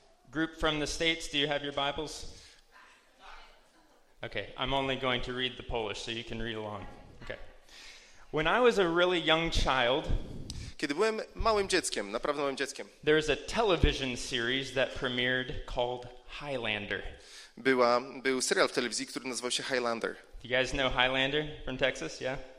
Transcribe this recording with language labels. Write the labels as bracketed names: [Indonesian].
[English] Group from the States, do you have your Bibles? Okay, I'm only going to read the Polish, so you can read along. Okay. When I was a really young child, [Polish] kiedy byłem małym dzieckiem, naprawdę małym dzieckiem, [English] there is a television series that premiered called Highlander. [Polish] Był serial w telewizji, który nazywał się Highlander. [English] You guys know Highlander from Texas, yeah?